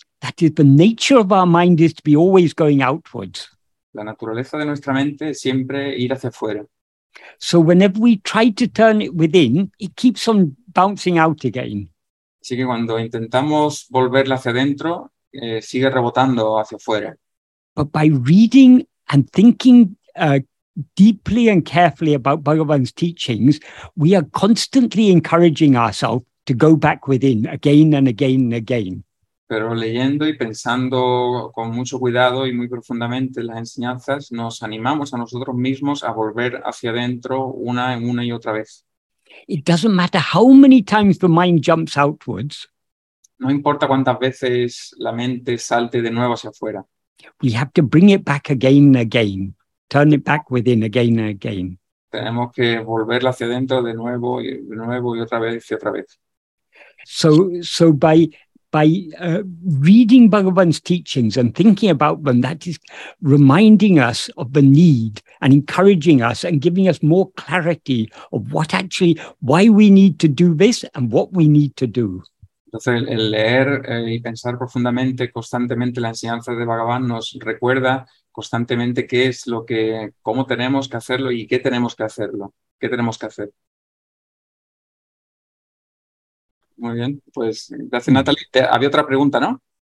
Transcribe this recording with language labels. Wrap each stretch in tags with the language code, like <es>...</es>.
<en>That is, the nature of our mind is to be always going outwards.</en> <es>La naturaleza de nuestra mente es siempre ir hacia afuera.</es> <en>So whenever we try to turn it within, it keeps on bouncing out again.</en> <es>Así que cuando intentamos volverla hacia adentro, sigue rebotando hacia afuera.</es> <en>But by reading and thinking deeply and carefully about Bhagavan's teachings, we are constantly encouraging ourselves to go back within again and again and again.</en> <es>Pero leyendo y pensando con mucho cuidado y muy profundamente las enseñanzas, nos animamos a nosotros mismos a volver hacia adentro una y otra vez.</es> <en>It doesn't matter how many times the mind jumps outwards.</en> <es>No importa cuántas veces la mente salte de nuevo hacia afuera.</es> <en>We have to bring it back again and again. Turn it back within again and again.</en> <es>Tenemos que volverla hacia adentro de nuevo y otra vez y otra vez.</es> <en>So by reading Bhagavan's teachings and thinking about them, that is reminding us of the need and encouraging us and giving us more clarity of what actually, why we need to do this and what we need to do.</en> <es>Entonces, el leer y pensar profundamente, constantemente la enseñanza de Bhagavan nos recuerda constantemente qué es lo que, cómo tenemos que hacerlo y qué tenemos que hacerlo, qué tenemos que hacer. Muy bien, pues gracias, Natalie. Había otra pregunta, ¿no?</es>